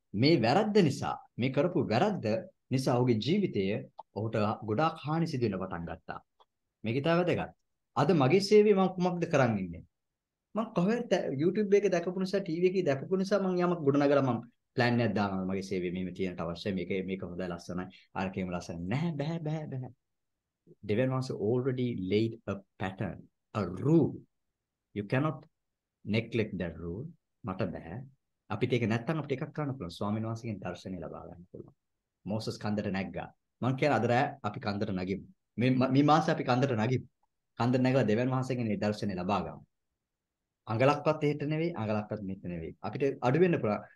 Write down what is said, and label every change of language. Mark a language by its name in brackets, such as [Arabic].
[Sinhala] මේ වැරද්ද නිසා, මේ කරපු වැරද්ද නිසා ඔහුගේ ජීවිතයේ ඔහුට ගොඩාක් හානි සිදු වෙන පටන් ගත්තා. මේක ඉතා වැදගත්. අද මගේ සේවය මම කුමක්ද කරන් ඉන්නේ? මම කොහෙද YouTube එකේ දැකපු නිසා, TV එකේ දැකපු නිසා මම යමක් ගොඩනගලා මම ප්ලෑන් එකක් දානවා. මගේ සේවය මෙහෙම තියෙනට අවශ්‍ය, මේක මේක හොඳයි ලස්සනයි, අර කේම ලස්සනයි. නැහැ බෑ බෑ බෑ. [English] Devan was already laid a pattern, a rule. You cannot neglect that rule. [Sinhala] මට බෑ. අපිට ඒක නැත්තම් අපිට එකක් කරන්න පුළුවන්, ස්වාමීන් වහන්සේගෙන් දර්ශනය ලබා ගන්න පුළුවන්. මෝසස් කන්දට නැග්ගා. මං කියන අද රෑ අපි කන්දට නැගිමු. මේ මාසේ අපි කන්දට නැගිමු. කන්ද නැගලා දෙවියන් වහන්සේගෙන් ඒ දර්ශනය ලබා ගමු. අඟලක්වත් එහෙට නෙවෙයි, අඟලක්වත් මෙහෙට නෙවෙයි. අපිට අඩු වෙන්න පුළුවන්.